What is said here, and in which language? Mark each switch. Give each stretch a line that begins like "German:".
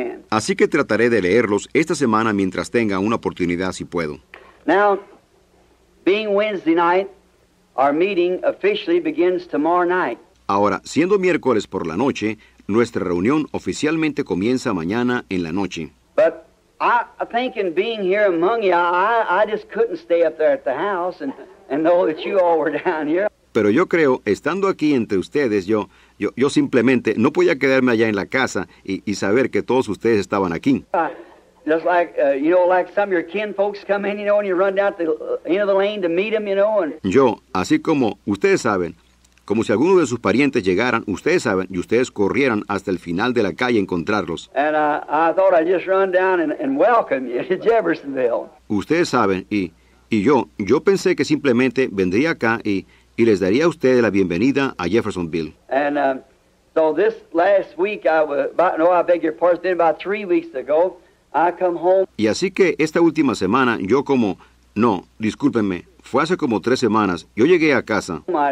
Spanish: Así que trataré de leerlos esta semana mientras tenga una oportunidad, si puedo.
English: Now, being Wednesday night, our meeting officially begins tomorrow night.
Spanish: Ahora, siendo miércoles por la noche, nuestra reunión oficialmente comienza mañana en la noche.
English: But I think in being here among you, I just couldn't stay up there at the house and know that you all were down here.
Spanish: Pero yo creo, estando aquí entre ustedes, yo simplemente no podía quedarme allá en la casa y saber que todos ustedes estaban aquí.
English: Just like, you know, like some of your kin folks come in, you know, and you run down to the end of the lane to meet them, you know. And
Spanish: yo, así como ustedes saben, como si alguno de sus parientes llegaran, ustedes saben, y ustedes corrieran hasta el final de la calle a encontrarlos.
English: And I thought I'd just run down and welcome you to Jeffersonville.
Spanish: Ustedes saben, y yo pensé que simplemente vendría acá y les daría a ustedes la bienvenida a Jeffersonville.
English: And so this last week, about 3 weeks ago, I come home.
Spanish: Y así que esta última semana, discúlpenme, fue hace como 3 semanas, yo llegué a casa.